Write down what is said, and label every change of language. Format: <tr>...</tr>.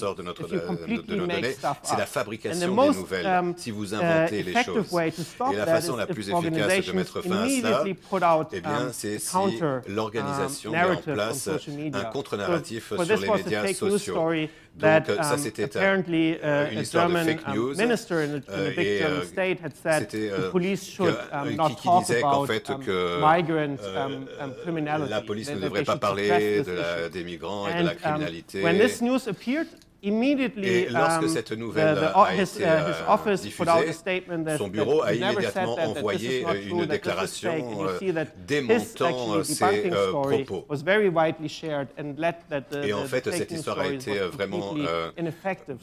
<en>If you completely make stuff up, and the most effective way to stop that is if organizations immediately put out counter-narratives on social media. So this was a fake news story. That apparently a German minister in a big German state had said the police should not talk about migrant criminality.</en> <fr>La police ne devrait pas parler des migrants et de la criminalité.</fr> <en>When this news appeared, immediately his office put out a statement that he never said that this is not true, that this is fake. You see that his debunking story was very widely shared and let that the fake news story was completely ineffective.</en>